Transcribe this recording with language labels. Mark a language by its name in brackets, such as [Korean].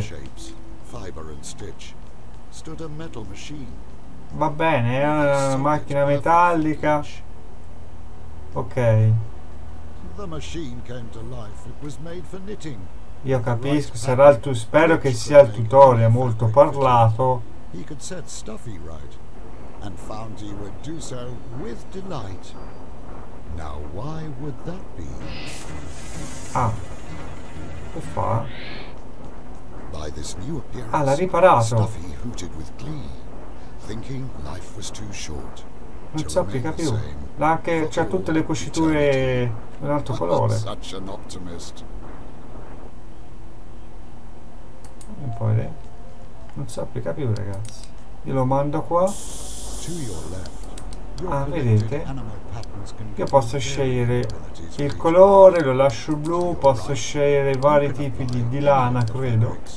[English] Shapes, fiber and stitch, stood a metal machine. [Italian] Va bene, è una macchina metallica. [English] Ok. The machine came to life. It was made for knitting. [Italian] Io capisco, sarà il tu... Spero che sia il tutorial molto parlato. [English] He could set stuffy right. And found he would do so with delight. Now why would that be? [Italian] Ah, che fa? [English] By this new appearance, [Italian] ah, l'ha riparato. [English] Stuffy hooted with glee, thinking life was too short. [Italian] Non so più, capito? L'ha anche, c'ha tutte le cuciture in altro colore. [English] Such an optimist. [Italian] E poi lei? Non so più, capito, ragazzi? Io lo mando qua. Ah, vedete? Io posso scegliere il colore, lo lascio blu, posso scegliere vari tipi di lana, credo.